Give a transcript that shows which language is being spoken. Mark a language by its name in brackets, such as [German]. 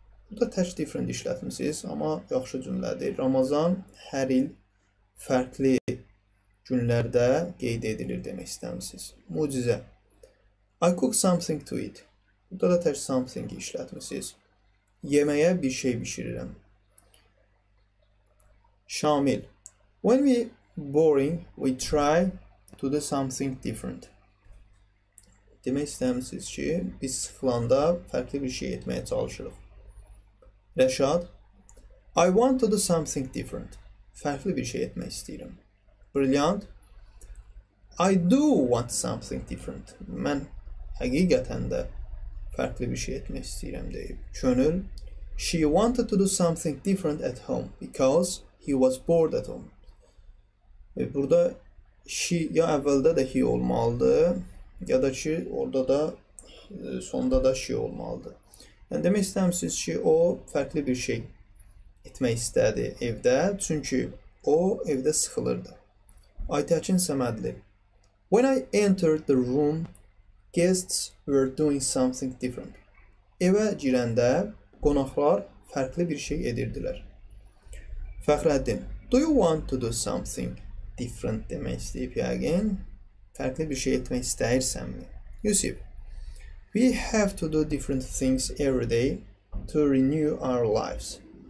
[Azerbaijani] Bu da tək different işlətmişsiniz, amma yaxşı cümlədir. Ramazan hər il fərqli günlərdə qeyd edilir demək istəmişsiniz. [English] Mucizə, I cook something to eat. [Azerbaijani] Burada da tək something işlətmişsiniz. Yeməyə bir şey bişirirəm. Şamil. [English] When we boring, we try to do something different. [Azerbaijani] Demək istəyirsiniz ki, biz sıxılanda fərqli bir şey etməyə çalışırıq. Rəşad. [English] I want to do something different. [Azerbaijani] Fərqli bir şey etmək istəyirəm. [English] Brilliant. I do want something different. [Azerbaijani] Mən həqiqətən də fərqli bir şey etmək istəyirəm deyib. Könül. [English] She wanted to do something different at home because he was bored at home. [Azerbaijani] Və burada she ya əvvəldə də he olmalıdır, ya da ki orada da sonda da she olmalıdır. Yəni demək istəyirsiniz ki, o fərqli bir şey etmək istədi evdə, çünki o evdə sıxılırdı. Aytəkin Səmədli. [English] When I entered the room, guests were doing something different. [Azerbaijani] Evə girəndə qonaqlar fərqli bir şey edirdilər. [English] Fəxrəddin, do you want to do something different [Azerbaijani] demək istəyib yəqin? Fərqli bir şey etmək istəyirsənmi? [English] Yusif, we have to do different things every day to renew our lives.